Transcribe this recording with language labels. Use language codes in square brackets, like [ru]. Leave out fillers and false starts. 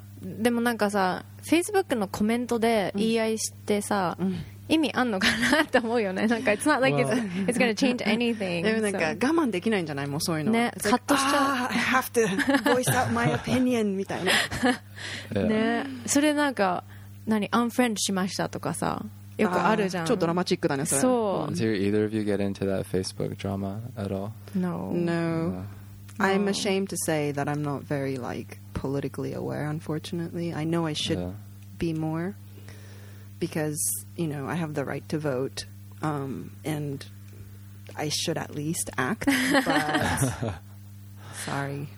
[ja] でもなんかさ、Facebook のコメントで言い合いしてさ、意味あんのかなって思うよね。なんか [en] it's not like it's gonna change anything. [ja] でもなんか我慢できないんじゃないもうそういうの。ね、カットしちゃう。 [en] I have to voice out my opinion [ja] みたいな。ね、それなんか何unfriendしましたとかさ。よくあるじゃん。超ドラマチックだね、それ。そう。 [en] Do either of you get into that Facebook drama at all? No. No. I'm ashamed to say that I'm not very, like, politically aware, unfortunately. I know I should be more because, you know, I have the right to vote and I should at least act, but sorry.